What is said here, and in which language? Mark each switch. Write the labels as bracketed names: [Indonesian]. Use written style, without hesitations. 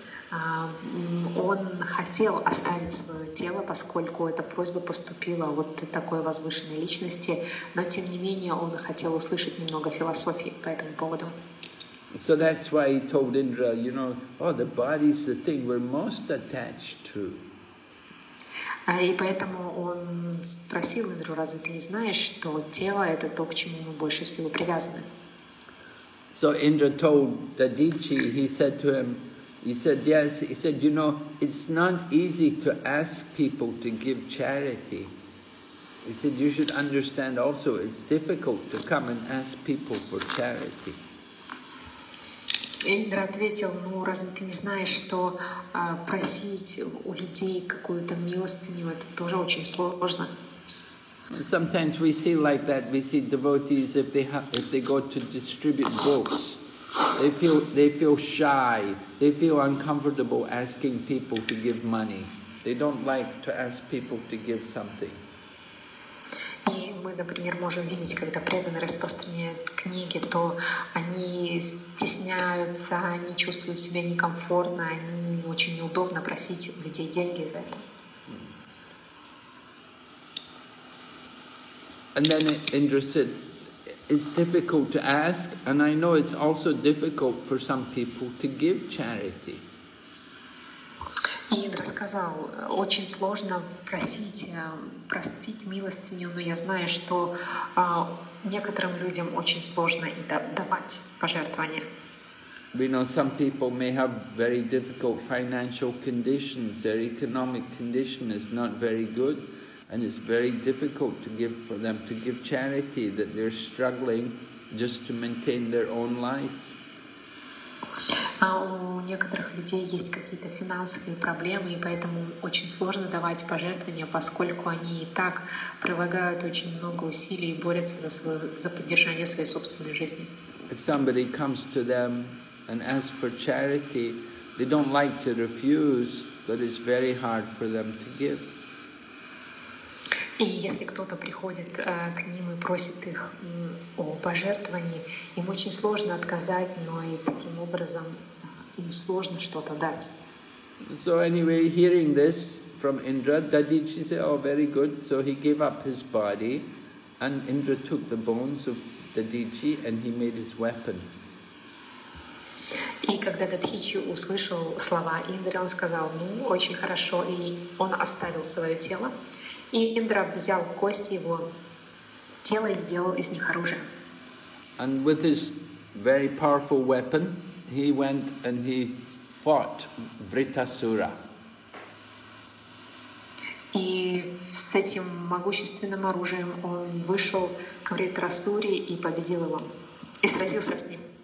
[Russian] Он хотел оставить свое тело, поскольку эта просьба поступила вот от такой возвышенной личности, но тем не менее он хотел услышать немного философии по этому поводу. [English] So that's why he told Indra, you know, oh, the body is the thing we're most attached to. [Russian] И поэтому он спросил Индру, разве ты не знаешь, что тело — это то, к чему мы больше всего привязаны? [English] So Indra told Dadichi, he said to him, he said, yes, he said, you know, it's not easy to ask people to give charity. He said, you should understand also, it's difficult to come and ask people for charity. [Russian] Индра ответил: ну разве ты не знаешь, что просить у людей какую-то милостыню, это тоже очень сложно. [English] Sometimes we see like that, we see devotees, if they go to distribute books, they feel shy, they feel uncomfortable asking people to give money. They don't like to ask people to give something. [Russian] И мы, например, можем видеть, когда преданные распространяют книги, то они стесняются, они чувствуют себя некомфортно, они очень неудобно просить у людей деньги за это. [English] And then Indra said, it's difficult to ask, and I know it's also difficult for some people to give charity. [Russian] Индра сказал, очень сложно просить милостыню, но я знаю, что некоторым людям очень сложно и давать пожертвования. [English] We know some people may have very difficult financial conditions, their economic condition is not very good. And it's very difficult to give for them to give charity, that they're struggling just to maintain their own life. [Russian] У некоторых людей есть какие-то финансовые проблемы, и поэтому очень сложно давать пожертвования, поскольку они и так прилагают очень много усилий и борются за поддержание своей собственной жизни. [English] If somebody comes to them and asks for charity, they don't like to refuse, but it's very hard for them to give. [Russian] И если кто-то приходит к ним и просит их о пожертвовании, им очень сложно отказать, но и таким образом им сложно что-то дать. [English] So anyway, hearing this from Indra, Dadichi said, oh, very good. So he gave up his body, and Indra took the bones of Dadichi, and he made his weapon. [Russian] И когда Дадхичи услышал слова Индры, он сказал, ну, очень хорошо, и он оставил свое тело. И Индра взял кости его тела и сделал из них оружие. [English] And with his very powerful weapon, he went and he fought Vritasura. [Russian] И с этим могущественным оружием он вышел к Вритасуре и победил его, и сразился с ним.